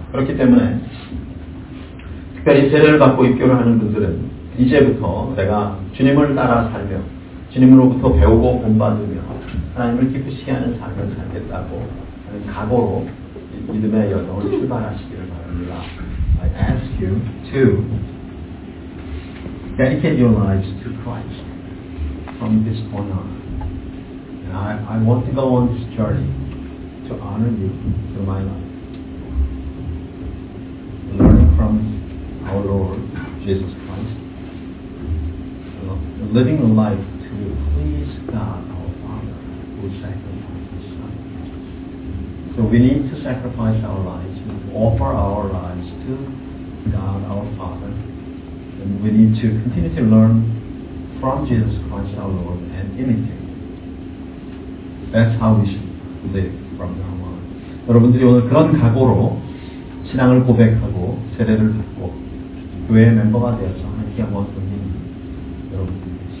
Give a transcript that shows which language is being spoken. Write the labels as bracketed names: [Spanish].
[Korean] 그렇기 때문에 특별히 세례를 받고 입교를 하는 분들은 이제부터 내가 주님을 따라 살며 주님으로부터 배우고 본받으며 하나님을 기쁘시게 하는 삶을 살겠다고 하는 각오로 믿음의 여정을 출발하시기를 바랍니다. [English] I ask you to dedicate your lives to Christ from this point on. And I want to go on this journey to honor you through my life. Learning from our Lord Jesus Christ. Living a life to please God, our Father, who sacrificed His Son. So we need to sacrifice our lives and offer our lives to God, our Father. And we need to continue to learn from Jesus Christ, our Lord, and imitate. That's how we should live from now on. [Korean] 여러분들이 오늘 그런 각오로 신앙을 고백하고 세례를 받고 교회 멤버가 되어서 함께 모아드린 여러분들.